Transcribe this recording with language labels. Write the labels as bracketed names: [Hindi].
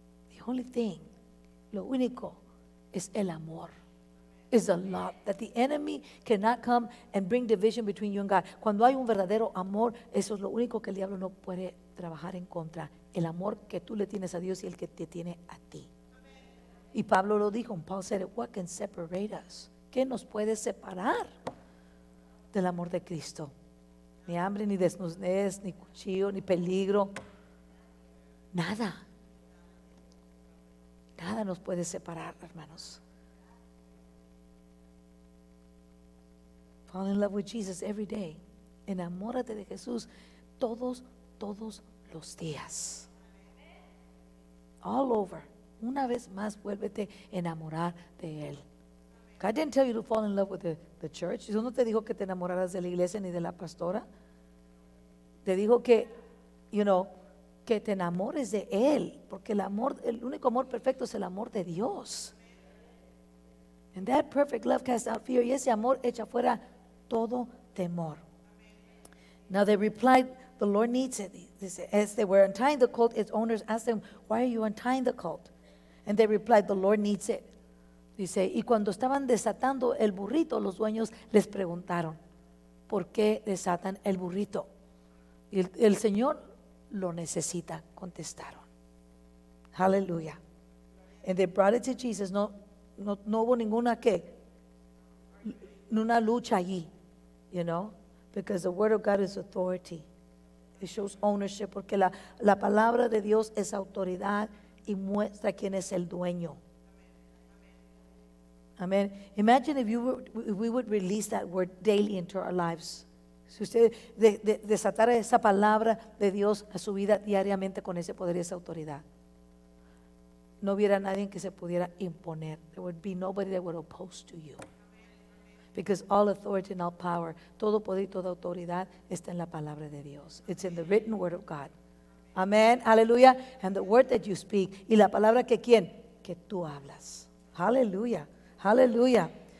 [English] The only thing, [Spanish] lo único, [English] is el amor, is the love, that the enemy cannot come and bring division between you and God. [Spanish] Cuando hay un verdadero amor, eso es lo único que el diablo no puede trabajar en contra, el amor que tú le tienes a Dios y el que te tiene a ti. Y Pablo lo dijo, [English] and Paul said, what can separate us? [Spanish] ¿Qué nos puede separar del amor de Cristo? Ni hambre, ni desnudez, ni cuchillo, ni peligro. Nada. Nada nos puede separar, hermanos. [English] Fall in love with Jesus every day. [Spanish] Enamórate de Jesús todos los días. [English] All over. [Spanish] Una vez más, vuélvete a enamorar de Él. [English] God didn't tell you to fall in love with the church. [Spanish] Dios no te dijo que te enamoraras de la iglesia ni de la pastora. Te dijo que, you know, que te enamores de Él. Porque el único amor perfecto es el amor de Dios. [English] And that perfect love casts out fear. [Spanish] Y ese amor echa fuera todo temor. [English] Now they replied, the Lord needs it. As they were untying the colt, its owners asked them, why are you untying the colt? And they replied, the Lord needs it. [Spanish] Dice, y cuando estaban desatando el burrito, los dueños les preguntaron, ¿por qué desatan el burrito? Y el Señor lo necesita, contestaron. Hallelujah. [English] And they brought it to Jesus. [Spanish] No hubo ninguna que, una lucha allí, [English] you know, because the word of God is authority. It shows ownership, [Spanish] porque la palabra de Dios es autoridad y muestra quién es el dueño. Amen. [English] Imagine if we would release that word daily into our lives. [Spanish] Si usted desatara esa palabra de Dios a su vida diariamente con ese poder y esa autoridad, no hubiera nadie que se pudiera imponer. [English] There would be nobody that would oppose to you. Because all authority and all power, [Spanish] todo poder y toda autoridad está en la palabra de Dios. [English] It's in the written word of God. Amén, aleluya. And the word that you speak. [Spanish] Y la palabra que quién? Que tú hablas. Aleluya, aleluya.